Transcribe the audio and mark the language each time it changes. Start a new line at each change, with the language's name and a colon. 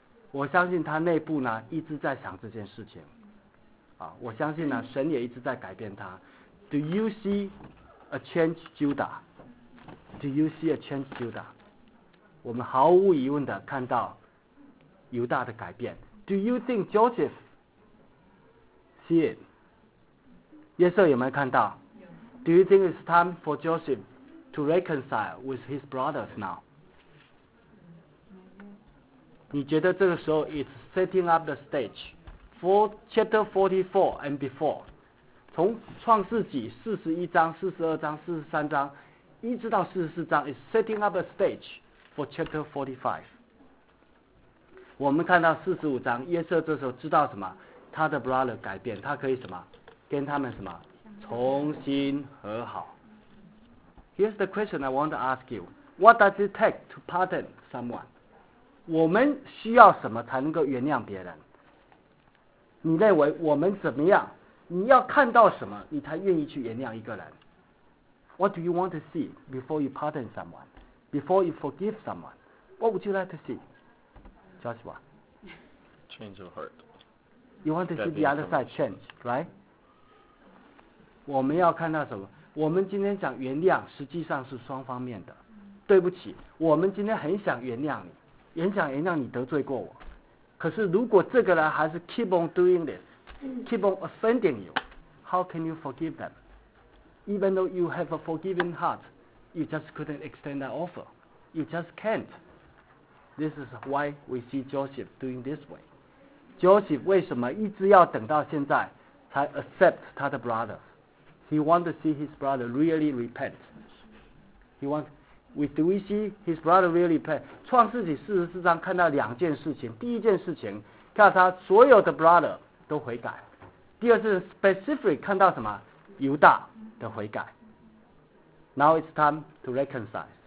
Chinese: 我相信他内部呢一直在想这件事情啊，我相信呢神也一直在改变他。
English: Do you see a change Judah? Do you see a change Judah?
Chinese: 我们毫无疑问的看到犹大的改变。
English: Do you think Joseph see it?
Chinese: 约瑟有没有看到
English: ？Do you think it's time for Joseph to reconcile with his brothers now？
Chinese: 你觉得这个时候
English: it's setting up the stage for chapter 44 and before，
Chinese: 从创世纪41章、42章、43章，一直到44章
English: ，is setting up a stage for chapter 45。
Chinese: 我们看到45章，约瑟这时候知道什么？他的 brother 改变，他可以什么？跟他们什么重新和好。
English: Here's the question I want to ask you. What does it take to pardon someone?
Chinese: 我们需要什么才能够原谅别人？你认为我们怎么样？你要看到什么你才愿意去原谅一个人？
English: What do you want to see before you pardon someone? Before you forgive someone? What would you like to see? Joshua? Change of heart. You want to see the other side change, right?
Chinese: 我们要看到什么？我们今天讲原谅，实际上是双方面的。对不起，我们今天很想原谅你，也想原谅你得罪过我。可是如果这个人还是
English: keep on doing this, keep on offending you, how can you forgive them? Even though you have a forgiving heart, you just couldn't extend that offer. You just can't. This is why we see Joseph doing this way. Joseph
Chinese: 为什么一直要等到现在才
English: accept 他的 brother? He wants to see his brother really repent. Do we see his brother really repent?
Chinese: 创世纪44章看到两件事情。第一件事情，看到他所有的 brother 都悔改。第二是 specific 看到什么？犹大的悔改。
English: Now it's time to reconcile.